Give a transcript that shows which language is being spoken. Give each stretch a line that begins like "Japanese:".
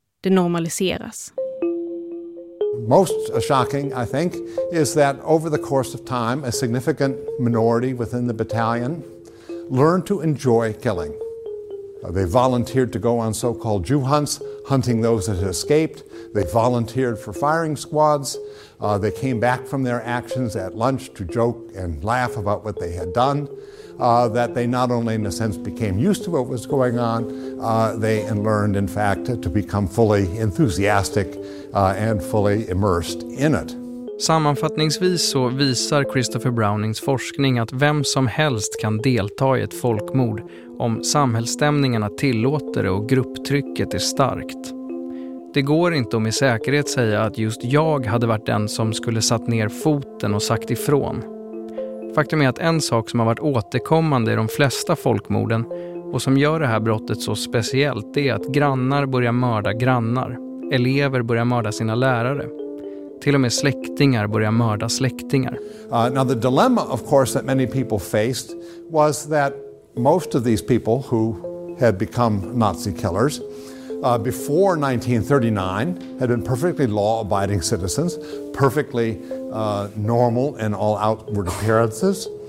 Swedish: Det normaliseras.
English: Most shocking, I think, is that over the course of time, a significant minority within the battalion learned to enjoy killing. They volunteered to go on so-called Jew hunts, hunting those that had escaped. They volunteered for firing squads. They came back from their actions at lunch to joke and laugh about what they had done. That they not only, in a sense, became used to what was going on, they learned, in fact, to become fully enthusiastic and fully immersed in it.
Swedish: Sammanfattningsvis så visar Christopher Brownings forskning att vem som helst kan delta i ett folkmord om samhällsstämningarna tillåter det och grupptrycket är starkt. Det går inte om i säkerhet säga att just jag hade varit den som skulle satt ner foten och sagt ifrån. Faktum är att en sak som har varit återkommande i de flesta folkmorden och som gör det här brottet så speciellt är att grannar börjar mörda grannar. Elever börjar mörda sina lärare. Till och med släktingar börjar mörda släktingar.
English: Now the dilemma of course that many people faced was that most of these people who had become Nazi killers before 1939 had been perfectly law-abiding citizens, perfectly normal in all outward appearances.